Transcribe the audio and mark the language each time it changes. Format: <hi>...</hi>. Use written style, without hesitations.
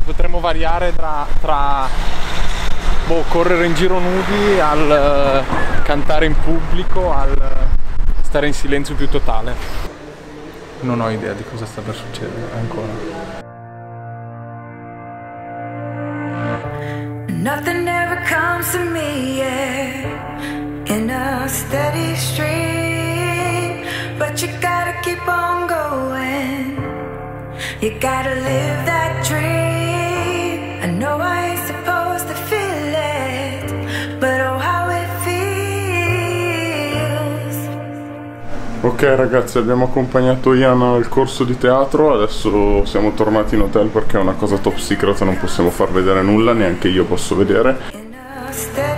<it>Potremmo variare tra correre in giro nudi al cantare in pubblico, al stare in silenzio più totale. Non ho idea di cosa sta per succedere ancora.</it> <en>Nothing ever comes to me, yeah, in a steady stream, but you gotta keep on going, you gotta live that dream. I know I ain't supposed to feel it, but oh how it feels.</en> <it>Ok ragazzi, abbiamo accompagnato Iana al corso di teatro, adesso siamo tornati in hotel perché è una cosa top secret, non possiamo far vedere nulla, neanche io posso vedere.</it>